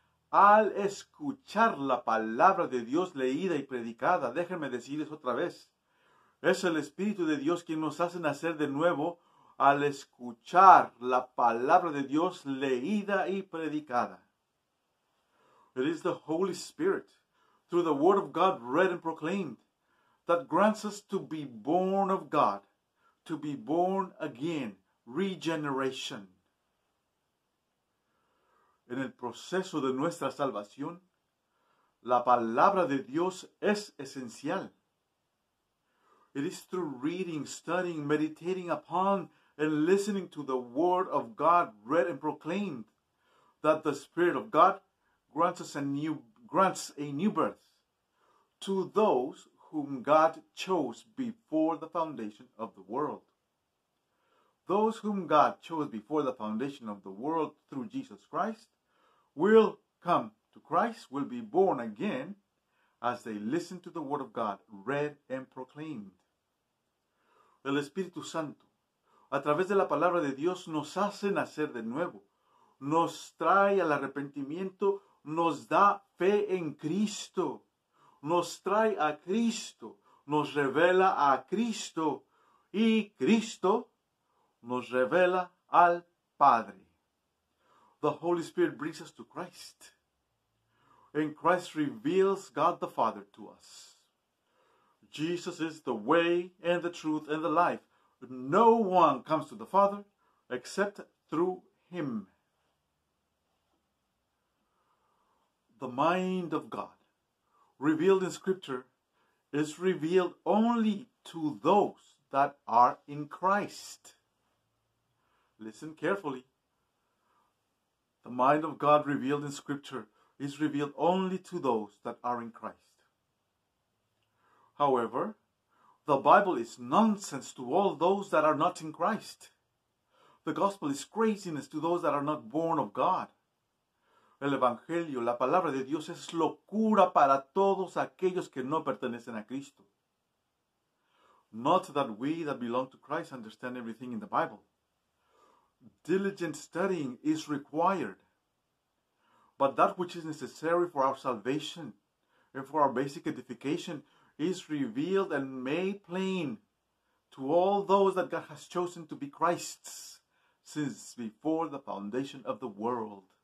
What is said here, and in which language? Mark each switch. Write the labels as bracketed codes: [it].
[es] Al escuchar la palabra de Dios leída y predicada, déjenme decirles otra vez, es el Espíritu de Dios quien nos hace nacer de nuevo al escuchar la palabra de Dios leída y predicada. [en] It is the Holy Spirit, through the Word of God read and proclaimed, that grants us to be born of God, to be born again, regeneration. [es] En el proceso de nuestra salvación, la palabra de Dios es esencial. [en] It is through reading, studying, meditating upon, and listening to the Word of God read and proclaimed that the Spirit of God grants a new birth to those whom God chose before the foundation of the world. Those whom God chose before the foundation of the world through Jesus Christ will come to Christ, will be born again, as they listen to the Word of God, read and proclaimed. [es] El Espíritu Santo, a través de la palabra de Dios, nos hace nacer de nuevo, nos trae al arrepentimiento, nos da fe en Cristo, nos trae a Cristo, nos revela a Cristo, y Cristo nos revela al Padre. [en] The Holy Spirit brings us to Christ, and Christ reveals God the Father to us. Jesus is the way and the truth and the life. No one comes to the Father except through Him. The mind of God, revealed in Scripture, is revealed only to those that are in Christ. Listen carefully. The mind of God revealed in Scripture is revealed only to those that are in Christ. However, the Bible is nonsense to all those that are not in Christ. The gospel is craziness to those that are not born of God. [es] El Evangelio, la palabra de Dios, es locura para todos aquellos que no pertenecen a Cristo. [en] Not that we that belong to Christ understand everything in the Bible. Diligent studying is required. But that which is necessary for our salvation and for our basic edification is revealed and made plain to all those that God has chosen to be Christ's since before the foundation of the world.